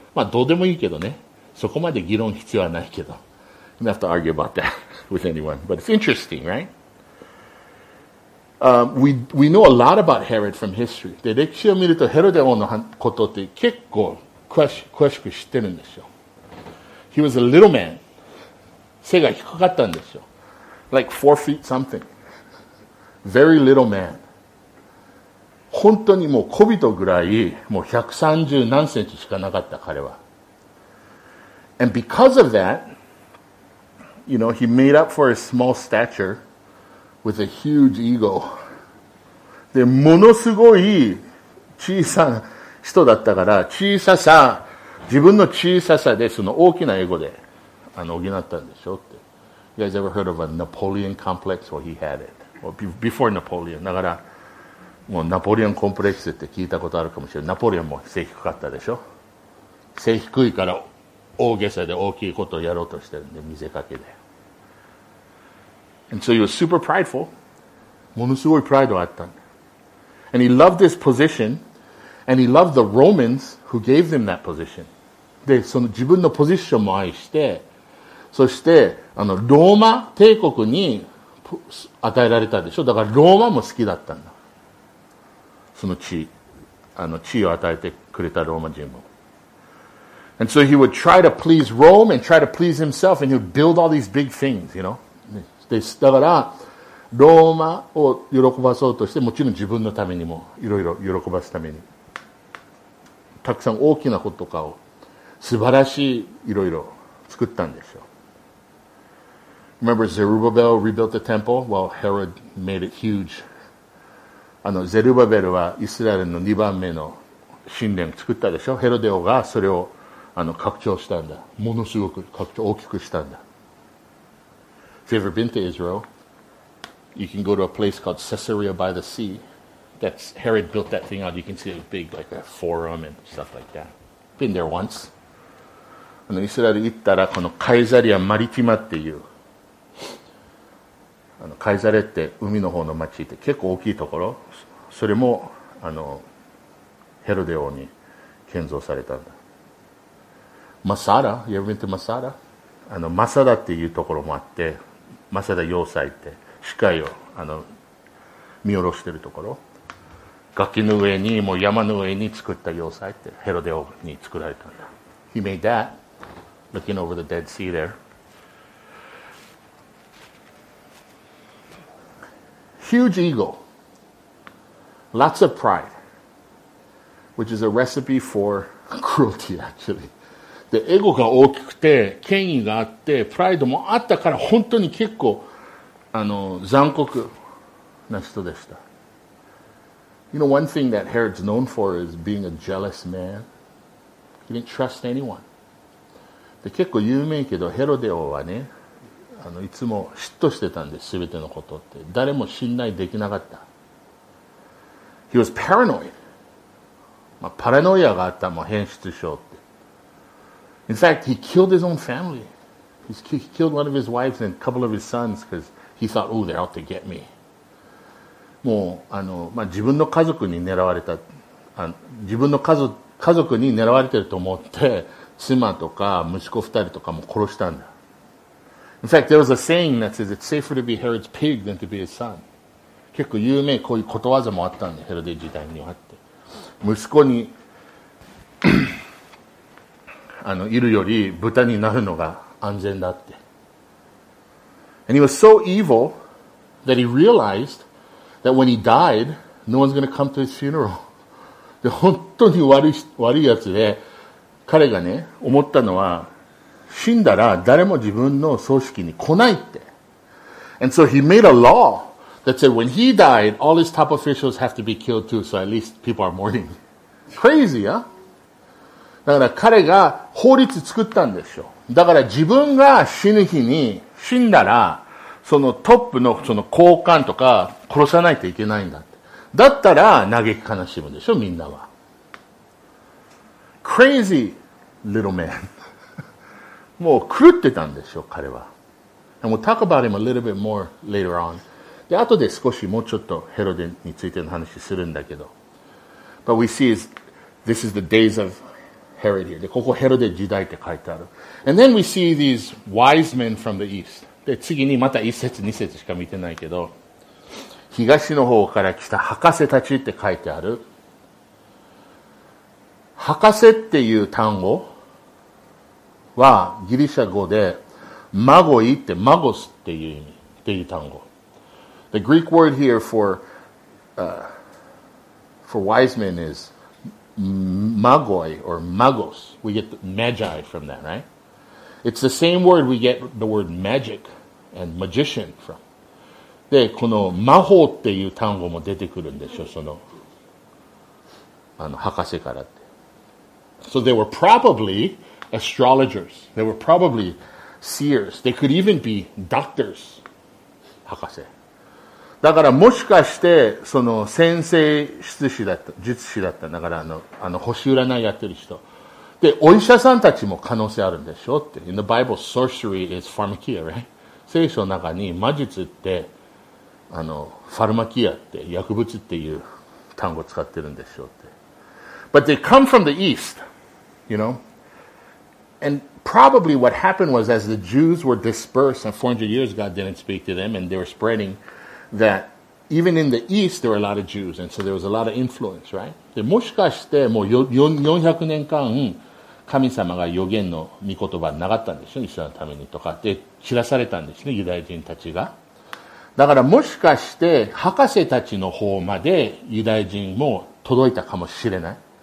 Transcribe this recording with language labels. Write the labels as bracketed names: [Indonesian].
[Japanese] まあ、どうでもいいけどね。そこまで議論必要はないけど。 [English] You don't have to argue about that with anyone. But it's interesting, right? We know a lot about Herod from history. [Japanese] で、歴史を見ると、ヘロデ王のことって結構詳しく知ってるんですよ。 [English] He was a little man. [Japanese] 背が低かったんですよ。 [English] Like 4 feet something. Very little man. [Japanese] 本当にもう小人ぐらい、もう130何センチしかなかった彼は。 [English] And because of that, you know, he made up for his small stature with a huge ego. [Japanese] で、ものすごい小さな人だったから、小ささ、自分の小ささで、その大きなエゴで、補ったんでしょって。 [English] You guys ever heard of a Napoleon complex? Well, he had it. Well, before Napoleon. [Japanese] だから、もうナポレオンコンプレックスって聞いたことあるかもしれない。ナポレオンも背低かったでしょ。背低いから大げさで大きいことをやろうとしてるんで、見せかけで。 [English] And so he was super prideful. [Japanese] ものすごいプライドがあった。 [English] And he loved his position. And he loved the Romans who gave them that position. [Japanese] で、その自分のポジションも愛して、そして、ローマ帝国に与えられたでしょ。だからローマも好きだったんだ。その地位、地位を与えてくれたローマ人も。 [English] And so he would try to please Rome and try to please himself and he would build all these big things, you know? [Japanese] で、だから、ローマを喜ばそうとして、もちろん自分のためにも、いろいろ喜ばすために、たくさん大きなこととかを、素晴らしい、いろいろ作ったんですよ。 [English] Remember, Zerubbabel rebuilt the temple while Herod made it huge. [Japanese] ゼルバベルはイスラエルの2番目の神殿を作ったでしょ。ヘロデオがそれを拡張したんだ。ものすごく拡張、大きくしたんだ。 [English] If you've ever been to Israel, you can go to a place called Caesarea by the Sea. That's Herod built that thing out. You can see it big, like a forum and stuff like that. Been there once. [Japanese] イスラエル行ったら、このカイザリア・マリティマっていう、カイザレって海の方の町って結構大きいところ、それもヘロデ王に建造されたんだ。 [English] マサラ、You ever been to マサラ？ [Japanese] マサダっていうところもあって、マサダ要塞って視界を見下ろしてるところ、崖の上に、もう山の上に作った要塞ってヘロデ王に作られたんだ。 [English] He made that looking over the Dead Sea there. Huge ego, lots of pride, which is a recipe for cruelty, actually. [Japanese] で、エゴが大きくて、権威があって、プライドもあったから、本当に結構、残酷な人でした。 [English] You know, one thing that Herod's known for is being a jealous man. He didn't trust anyone. [Japanese] で、結構有名けど、ヘロデ王はね、いつも嫉妬してたんです、全てのことって。誰も信頼できなかった。 [English] He was paranoid. [Japanese] まあ、パラノイアがあったもん、変質症って。 [English] In fact, he killed his own family. He killed one of his wives and a couple of his sons because he thought, oh, they're out to get me. [Japanese] もう、まあ、自分の家族に狙われた、自分の家族に狙われてると思って、妻とか息子二人とかも殺したんだ。 [English] In fact, there was a saying that says it's safer to be Herod's pig than to be his son. [Japanese] 結構有名、こういうことわざもあったんで、ヘロデ時代にはって。息子にいるより豚になるのが安全だって。 [English] And he was so evil that he realized that when he died, no one's going to come to his funeral. [Japanese] で、本当に悪いやつで、彼がね、思ったのは、死んだら誰も自分の葬式に来ないって。 [English] And so he made a law that said when he died, all his top officials have to be killed too, so at least people are mourning. Crazy, huh? [Japanese] だから彼が法律作ったんですよ。だから自分が死ぬ日に死んだら、そのトップのその高官とか殺さないといけないんだって。だったら嘆き悲しむでしょ、みんなは。 [English] Crazy little man. [Japanese] もう狂ってたんでしょ、彼は。 [English] And we'll talk about him a little bit more later on. [Japanese] で、後で少しもうちょっとヘロデについての話するんだけど。 [English] But we see this is the days of Herod here. [Japanese] で、ここヘロデ時代って書いてある。 [English] And then we see these wise men from the east. [Japanese] で、次にまた一節二節しか見てないけど、東の方から来た博士たちって書いてある。博士っていう単語、はギリシャ語でマゴイってマゴスっていう意味っていう単語。 [English] The Greek word here for for wise men is magoi or magos. We get the magi from that, right? It's the same word we get the word magic and magician from. [Japanese] で、この魔法っていう単語も出てくるんでしょ、その、あの、博士からって。 [English] So they were probably astrologers. They were probably seers. They could even be doctors. [Japanese] 博士。だからもしかして、その先生術師だった、術師だった。だからあの星占いやってる人。で、お医者さんたちも可能性あるんでしょって。 [English] In the Bible, sorcery is pharmakia, right? [Japanese] 聖書の中に魔術って、あの、ファルマキアって薬物っていう単語を使ってるんでしょうって。 [English] But they come from the East, you know? And probably what happened was as the Jews were dispersed and 400 years God didn't speak to them and they were spreading that even in the East there were a lot of Jews and so there was a lot of influence, right? [Japanese] で、もしかしてもう400年間神様が予言の御言葉なかったんでしょ、イスラエルのためにとかって散らされたんですね、ユダヤ人たちが。だからもしかして博士たちの方までユダヤ人も届いたかもしれない。